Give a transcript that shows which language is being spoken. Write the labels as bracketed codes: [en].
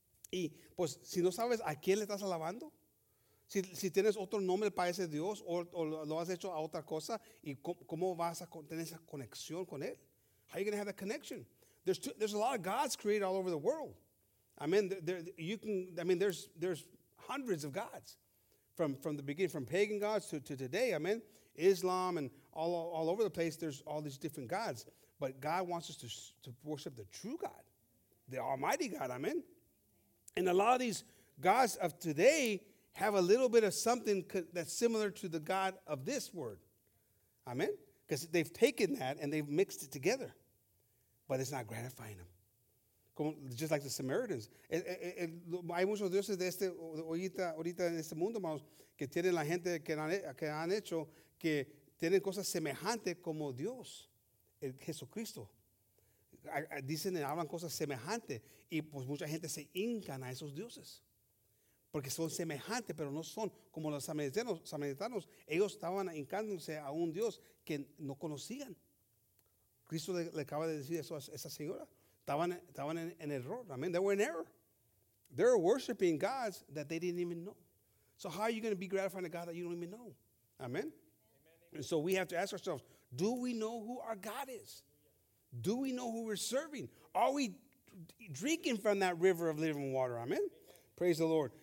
[es] Y pues si no sabes a quién le estás alabando, si tienes otro nombre para ese Dios o lo has hecho a otra cosa, y cómo vas a tener esa conexión con él? [en] How are you going to have that connection? There's a lot of gods created all over the world. I mean, there's hundreds of gods from the beginning, from pagan gods to today. I mean, Islam and all over the place, there's all these different gods. But God wants us to worship the true God, the Almighty God. I mean, and a lot of these gods of today have a little bit of something that's similar to the God of this word. Amen? Because they've taken that and they've mixed it together. But it's not gratifying them. Just like the Samaritans. [es] Hay muchos dioses de este ahorita en este mundo, hermanos, que tienen la gente que han hecho que tienen cosas semejantes como Dios, el Jesucristo. Dicen y hablan cosas semejantes. Y pues mucha gente se hincan a esos dioses. Porque son semejantes, pero no son como los samaritanos. Ellos estaban hincándose a un Dios que no conocían. Cristo le acaba de decir eso a esa señora. Estaban en error. [en] I mean, they were in error. They were worshiping gods that they didn't even know. So how are you going to be gratifying a God that you don't even know? Amen? Amen. And so we have to ask ourselves, do we know who our God is? Do we know who we're serving? Are we drinking from that river of living water? Amen? Praise the Lord.